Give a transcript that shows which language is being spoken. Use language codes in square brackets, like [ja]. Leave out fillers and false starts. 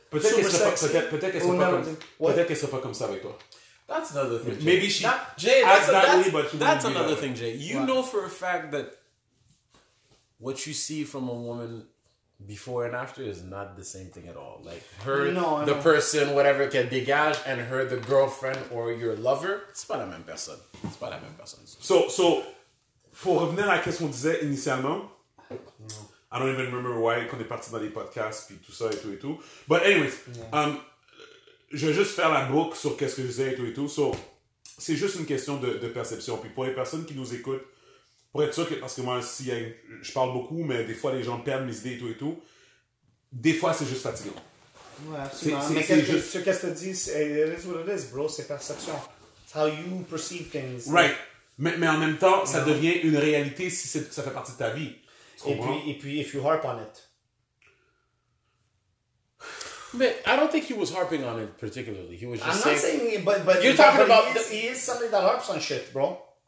[fr] Peut-être qu'elle ne sait pas comme ça avec toi. [en] That's another thing, Jay. Maybe she... That's another thing, Jay. You know for a fact that what you see from a woman before and after is not the same thing at all. Like, her, person, whatever, [fr] qui dégage, [en] and her, the girlfriend or your lover, [fr] c'est pas la même personne. C'est pas la même personne. So, pour revenir à ce qu'on disait initialement, [en] I don't even remember why, [fr] quand on est parti dans les podcasts, puis tout ça et tout et tout. [en] But anyways, [fr] je vais juste faire la boucle sur qu'est-ce que je disais et tout et tout. So, c'est juste une question de perception. Puis pour les personnes qui nous écoutent, pour être sûr que, parce que moi aussi, je parle beaucoup, mais des fois, les gens perdent mes idées et tout, des fois, c'est juste fatigant. Ouais, absolument. Mais qu'est-ce que tu dis, [en] it is what it is, bro, [fr] c'est perception. [en] It's how you perceive things. Right. [fr] Mais en même temps, ça devient une réalité si ça fait partie de ta vie. Et puis, [en] if you harp on it. But I don't think he was harping on it particularly. He was just saying... I'm not saying... But you're talking about... He is somebody that harps on shit, bro.